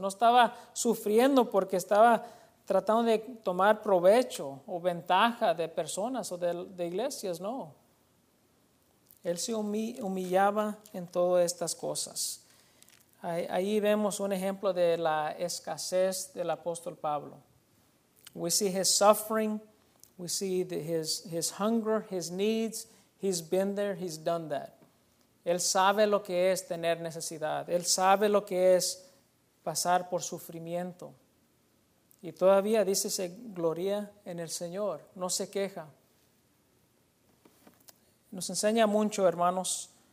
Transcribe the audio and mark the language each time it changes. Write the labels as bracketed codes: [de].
[es] No estaba sufriendo porque estaba tratando de tomar provecho o ventaja de personas o de iglesias, no. Él se humillaba en todas estas cosas. Ahí vemos un ejemplo de la escasez del apóstol Pablo. [en] We see his suffering, we see his hunger, his needs, he's been there, he's done that. [es] Él sabe lo que es tener necesidad, él sabe lo que es pasar por sufrimiento. Y todavía dice, se gloria en el Señor, no se queja. Nos enseña mucho, hermanos,